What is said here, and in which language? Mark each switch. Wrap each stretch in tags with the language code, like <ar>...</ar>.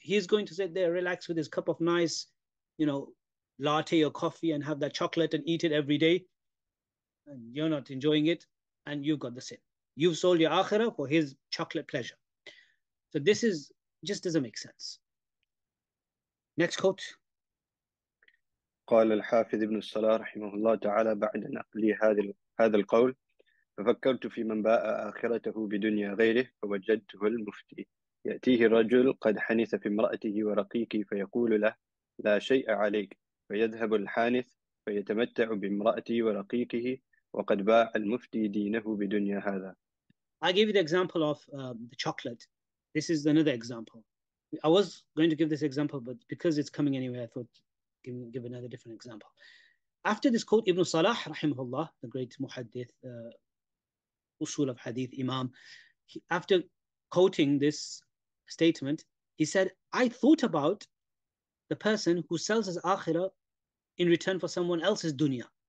<en>He's going to sit there, relax with his cup of nice, you know, latte or coffee and have that chocolate and eat it every day. And you're not enjoying it. And you've got the sin. You've sold your akhirah for his chocolate pleasure. So this is just doesn't make sense. Next quote.</en> <ar>قال الحافظ ابن الصلاة رحمه الله تعالى بعد نقل هذا القول ففكرت في من باء آخرته بدنيا غيره فوجدته المفتي يأتيه الرجل قد حنث في امرأته ورقيقه فيقول له لا شيء عليك فيذهب الحانث فيتمتع بامرأته ورقيقه وقد باع المفتي دينه بدنيا هذا.</ar> <en>I gave you the example of the chocolate. This is another example. I was going to give this example, but because it's coming anyway, I thought give another different example. After this quote, Ibn Salah, rahimahullah, the great muhaddith, usul of hadith imam, after quoting this statement, he said, I thought about the person who sells his akhirah in return for someone else's dunya.</en>